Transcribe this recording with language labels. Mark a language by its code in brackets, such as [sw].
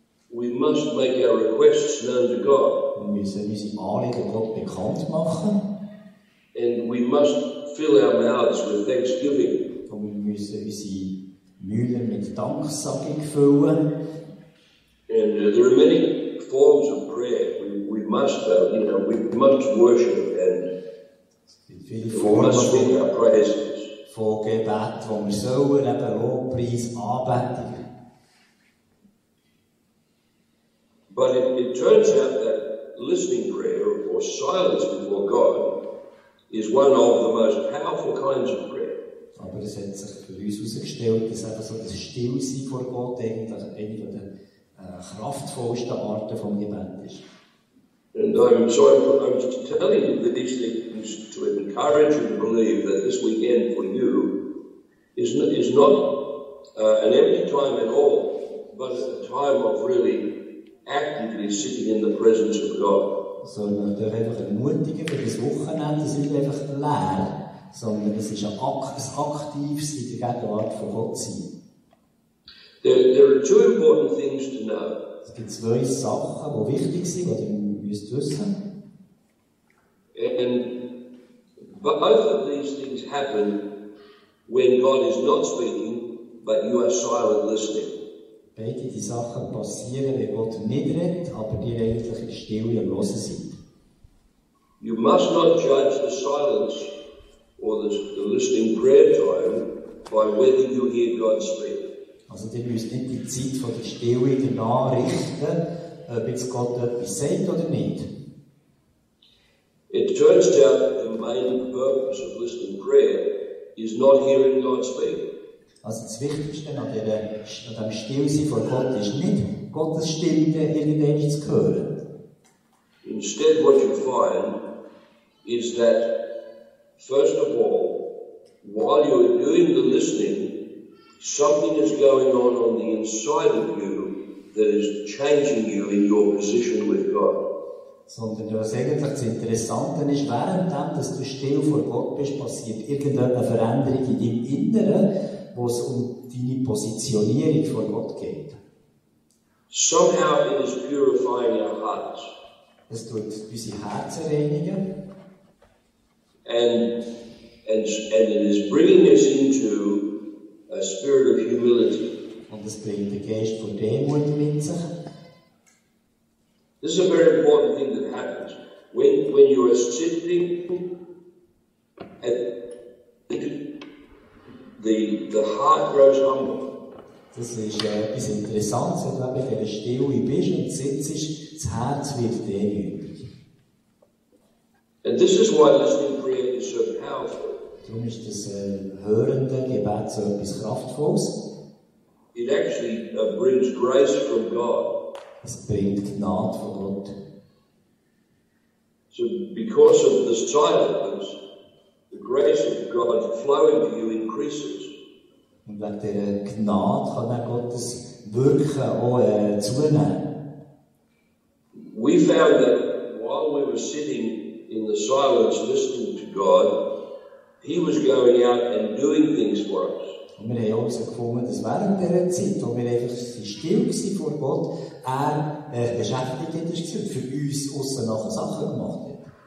[en] We must make our requests known to God. [de] Wir müssen unsere Anliegen Gott bekannt machen. [en] And we must fill our mouths with thanksgiving. [de] Und wir müssen unsere Mühlen mit Danksagung füllen. [en] And there are many forms of prayer. We must worship and speak our praises. [de] Von Gebet, wo wir sollen, eben Lobpreis anbeten. [en] But it turns out that listening prayer or silence before God is one of the most powerful kinds of prayer. [de] Aber es hat sich für uns herausgestellt, dass einfach so das Stillsein vor Gott eine der kraftvollsten Arten vom Gebet ist. [en] And I'm sorry, I'm just telling you these things to encourage you. I originally believe that this weekend for you is not an empty time at all, but a time of really actively sitting in the presence of God. [de] Sondern der einfach ermutigen für das Wochenende, das ist nicht einfach leer, sondern es ist ein aktives in der Gegenwart von Gott sein. [en] There are two important things to know. [de] Es gibt zwei Sachen, die wichtig sind, die du müsst wissen. [en] And both of these things happen when God is not speaking, but you are silent listening. [de] Beide die Sachen passieren, wenn Gott nicht redet, aber die eigentlich in Stille am Hören sind. [en] You must not judge the silence or the listening prayer time by whether you hear God speak. [de] Also, ihr müsst nicht die Zeit von der Stille danach richten, ob jetzt Gott etwas sagt oder nicht. [en] It turns out the main purpose of listening prayer is not hearing God speak. [de] Also das Wichtigste an dem Stillsein vor Gott ist nicht, Gottes Stimme irgendwann zu hören. [en] Instead what you find is that, first of all, while you are doing the listening, something is going on the inside of you that is changing you in your position with God. [de] Sondern was eigentlich das Interessante ist, währenddem, dass du still vor Gott bist, passiert irgendeine Veränderung in deinem Inneren, wo es um deine Positionierung vor Gott geht. [en] Somehow it is purifying our hearts. [de] Es tut unsere Herzen reinigen. [en] And it is bringing us into a spirit of humility. [de] Und es bringt den Geist von Demut mit sich. [en] This is a very important thing that happens when you are sitting at the heart grows humble. [de] Das ist etwas Interessantes, wenn du in der Stille bist und sitzt, das Herz wird demütig. [en] And this is why listening prayer is so powerful. [de] Darum ist das hörende Gebet so etwas Kraftvolles. [en] It actually brings grace from God. [de] Es bringt Gnade von Gott. [en] So because of the silence, the grace of God flowing to you increases. [de] Und wegen der Gnade kann dann Gottes Wirken auch zunehmen. [en] We found that while we were sitting in the silence listening to God, he was going out and doing things for us. [de] Und wir haben auch so gefunden, dass während dieser Zeit, wo wir einfach still waren vor Gott, er beschäftigt ist und für uns aussen nachher Sachen gemacht hat.